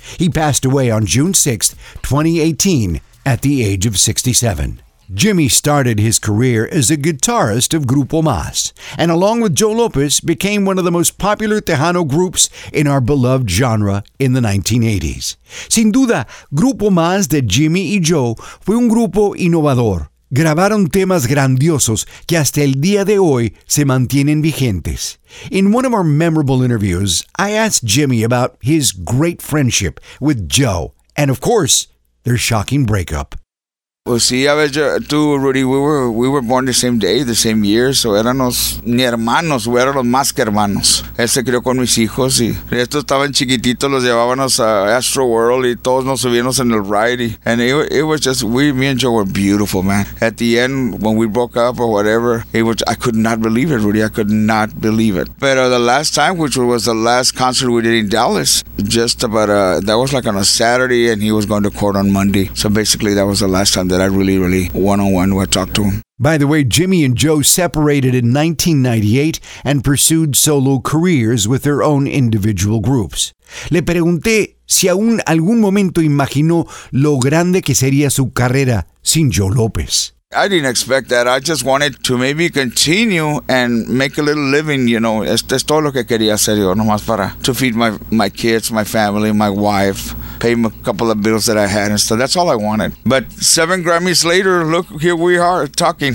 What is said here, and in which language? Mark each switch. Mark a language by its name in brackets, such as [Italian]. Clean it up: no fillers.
[English] He passed away on June 6, 2018, at the age of 67. Jimmy started his career as a guitarist of Grupo Mas, and along with Joe Lopez, became one of the most popular Tejano groups in our beloved genre in the 1980s. [Spanish] Sin duda, Grupo Mas de Jimmy y Joe fue un grupo innovador. Grabaron temas grandiosos que hasta el día de hoy se mantienen vigentes. [English] In one of our memorable interviews, I asked Jimmy about his great friendship with Joe, and of course, their shocking breakup. [Spanish] Pues sí, a ver, tú, Rudy, [English] we were born the same day, the same year, [Spanish] so éramos ni hermanos, we eran los más que hermanos. Él se crió con mis hijos y estos estaban chiquititos, los llevábamos a Astro World y todos nos subimos en el ride. [English] And me and Joe were beautiful, man. At the end, when we broke up or whatever, I could not believe it, Rudy, I could not believe it. Pero the last time, which was the last concert we did in Dallas, that was like on a Saturday and he was going to court on Monday. So basically, that was the last time that I really, really one-on-one would talk to him. By the way, Jimmy and Joe separated in 1998 and pursued solo careers with their own individual groups. [Spanish] Le pregunté si aún algún momento imaginó lo grande que sería su carrera sin Joe Lopez. [English] I didn't expect that. I just wanted to maybe continue and make a little living, you know. [Spanish] Esto es todo lo que quería hacer yo, nomás para [English] to feed my kids, my family, my wife, pay a couple of bills that I had and stuff. That's all I wanted. But 7 Grammys later, look, here we are talking.